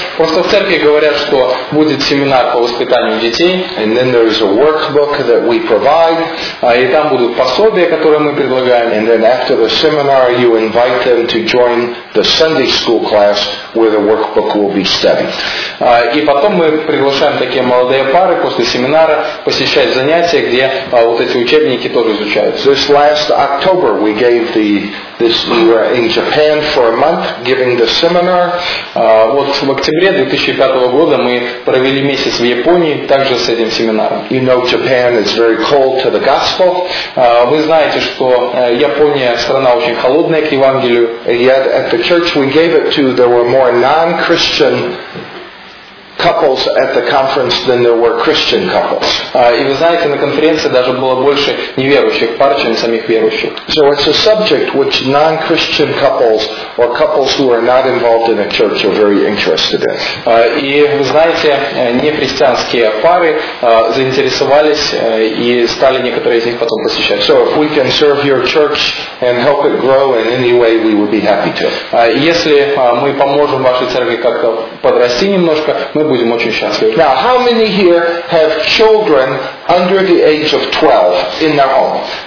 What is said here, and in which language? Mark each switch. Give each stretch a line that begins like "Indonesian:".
Russian: Просто в церкви говорят, что будет семинар по воспитанию детей.
English: And then there is a workbook that we provide.
Russian: И там будут пособия, которые мы предлагаем.
English: And then after the seminar, you invite them to join the Sunday school class where the workbook will be studied.
Russian: И потом мы приглашаем такие молодые пары после семинара посещать занятия, где вот эти учебники тоже изучаются.
English: This last October we gave we were in Japan for a month giving the seminar.
Russian: Вот в октябре 2005 года мы провели месяц в Японии также с этим семинаром.
English: You know Japan is very cold to the gospel.
Russian: Вы знаете, что Япония страна очень холодная к Евангелию.
English: Yet at the church we gave it to, there were more non-Christian couples at the conference than there were Christian couples.
Russian: И вы знаете, на конференции даже было больше неверующих пар, чем самих верующих.
English: So it's a subject which non-Christian couples or couples who are not involved in a church are very interested in.
Russian: И вы знаете, нехристианские пары заинтересовались и стали некоторые из них потом посещать.
English: So if we can serve your church and help it grow in any way, we would be happy to.
Russian: Если мы поможем вашей церкви как-то подрасти немножко, мы будем очень счастливы.
English: Now, how many here have children under the age of 12 in their home?